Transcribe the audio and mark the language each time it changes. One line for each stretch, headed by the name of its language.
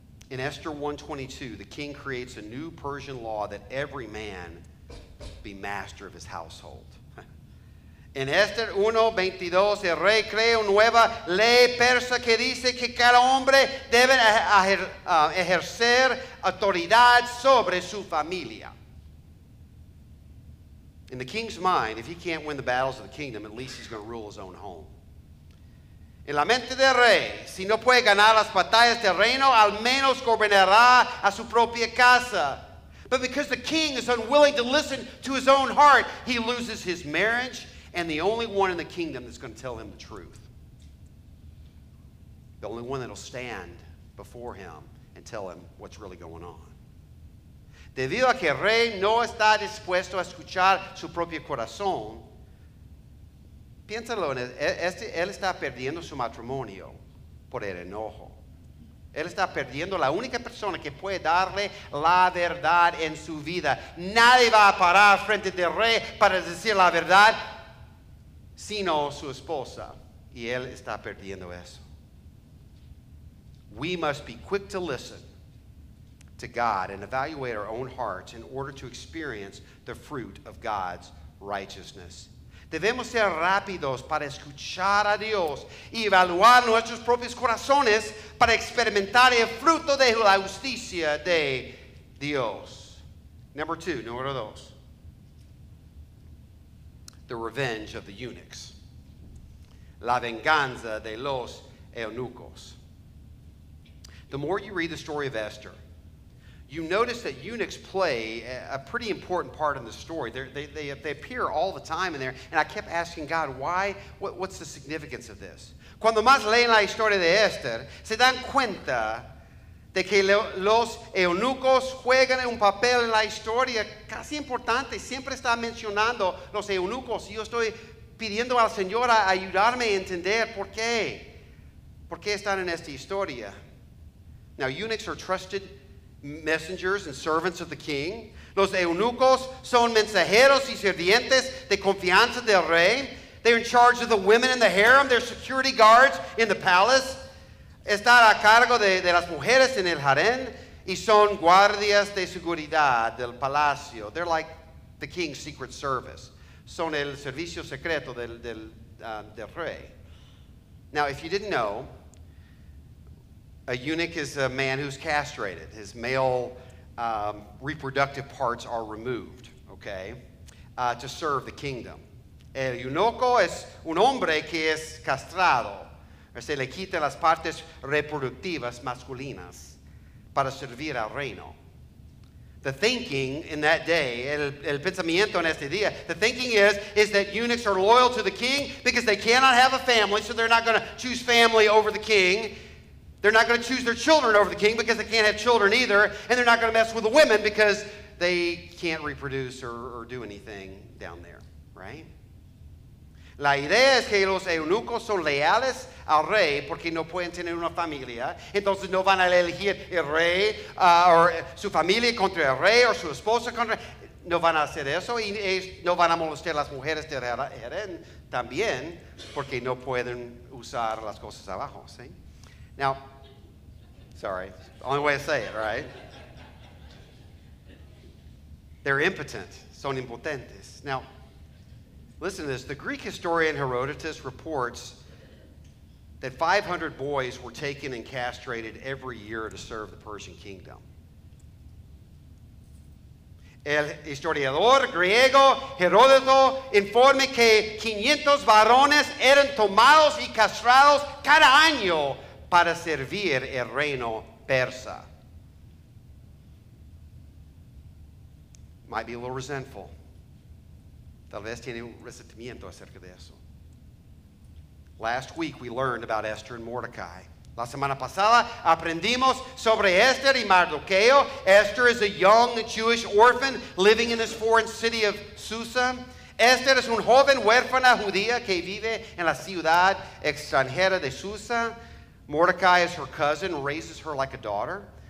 English: In Esther 1:22, the king creates a new Persian law that every man be master of his household.
Spanish: In Esther 1:22, el rey crea una nueva ley persa que dice que cada hombre debe ejercer autoridad sobre su familia.
English: In the king's mind, if he can't win the battles of the kingdom, at least he's going to rule his own home.
Spanish: En la mente del rey, si no puede ganar las batallas del reino, al menos gobernará a su propia casa.
English: But because the king is unwilling to listen to his own heart, he loses his marriage and the only one in the kingdom that's going to tell him the truth. The only one that'll stand before him and tell him what's really going on.
Spanish: Debido a que el rey no está dispuesto a escuchar su propio corazón, piénsalo, él está perdiendo su matrimonio por el enojo. Él está perdiendo la única persona que puede darle la verdad en su vida. Nadie va a parar frente del rey para decir la verdad, sino su esposa. Y él está perdiendo eso.
English: We must be quick to listen to God and evaluate our own hearts in order to experience the fruit of God's righteousness.
Spanish: Debemos ser rápidos para escuchar a Dios y evaluar nuestros propios corazones para experimentar el fruto de la justicia de Dios. Número dos.
English: The revenge of the eunuchs.
Spanish: La venganza de los eunucos.
English: the more you read the story of Esther, you notice that eunuchs play a pretty important part in the story. They appear all the time in there, and I kept asking God, why? What's the significance of this?
Spanish: Cuando más leen la historia de Esther, se dan cuenta de que los eunucos juegan un papel en la historia casi importante. Siempre está mencionando los eunucos. Y yo estoy pidiendo al Señor a ayudarme a entender por qué están en esta historia.
English: Now, eunuchs are trusted messengers and servants of the king.
Spanish: Los eunucos son mensajeros y sirvientes de confianza del rey.
English: They're in charge of the women in the harem. They're security guards in the palace.
Spanish: Están a cargo de las mujeres en el harén y son guardias de seguridad del palacio.
English: They're like the king's secret service.
Spanish: Son el servicio secreto del rey.
English: Now, if you didn't know, a eunuch is a man who's castrated. His male reproductive parts are removed, okay, to serve the kingdom.
Spanish: El eunuco es un hombre que es castrado. Se le quita las partes reproductivas masculinas para servir al reino.
English: The thinking in that day,
Spanish: el pensamiento en este día,
English: the thinking is that eunuchs are loyal to the king because they cannot have a family, so they're not going to choose family over the king. They're not going to choose their children over the king because they can't have children either, and they're not going to mess with the women because they can't reproduce or do anything down there, right?
Spanish: La idea es que los eunucos son leales al rey porque no pueden tener una familia. Entonces no van a elegir el rey o su familia contra el rey o su esposa contra el rey. No van a hacer eso y no van a molestar las mujeres del harén también porque no pueden usar las cosas abajo. ¿Sí?
English: Now, sorry, only way to say it, right? They're impotent.
Spanish: Son impotentes.
English: Now, listen to this. The Greek historian Herodotus reports that 500 boys were taken and castrated every year to serve the Persian kingdom.
Spanish: El historiador griego Herodoto informa que 500 varones eran tomados y castrados cada año para servir el reino persa.
English: Might be a little resentful.
Spanish: Tal vez tiene un resentimiento acerca de eso.
English: Last week we learned about Esther and Mordecai.
Spanish: La semana pasada aprendimos sobre Esther y Mardoqueo.
English: Esther is a young Jewish orphan living in this foreign city of Susa.
Spanish: Esther es un joven huérfana judía que vive en la ciudad extranjera de Susa.
English: Mordecai is her cousin, raises her like a daughter.